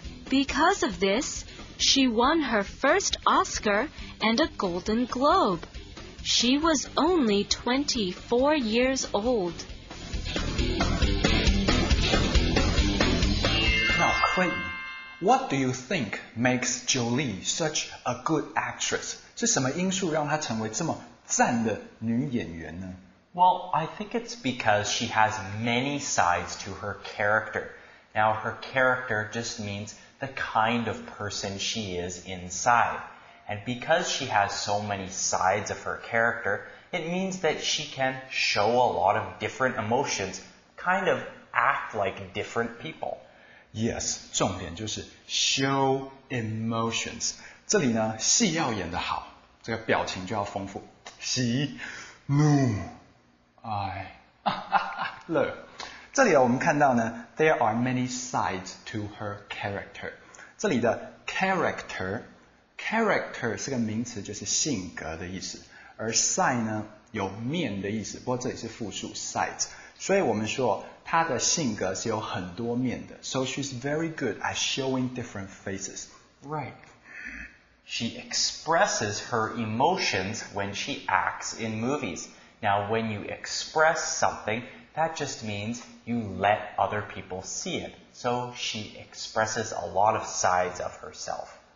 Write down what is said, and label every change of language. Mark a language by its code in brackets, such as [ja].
[en] Because of this, she won her first Oscar and a Golden Globe. She was only 24 years old. Now, Clayton, what do you think makes Jolie such a good actress? [zh] 是什么因素让她成为这么赞的女演员呢？ [en] Well, I think it's because she has many sides to her character. Now, her character just means... the kind of person she is inside. And because she has so many sides of her character, it means that she can show a lot of different emotions, kind of act like different people. [zh] Yes, 重点就是 show emotions. 这里呢，戏要演得好，这个表情就要丰富。喜、怒、哀、乐。这里我们看到呢 , [en] there are many sides to her character. [zh] 这里的 character 是个名词就是性格的意思。而 side 呢有面的意思不过这里是复数 sides。所以我们说她的性格是有很多面的。 [en] So she's very good at showing different faces. Right. She expresses her emotions when she acts in movies. Now when you express something,That just means you let other people see it. So she expresses a lot of sides of herself.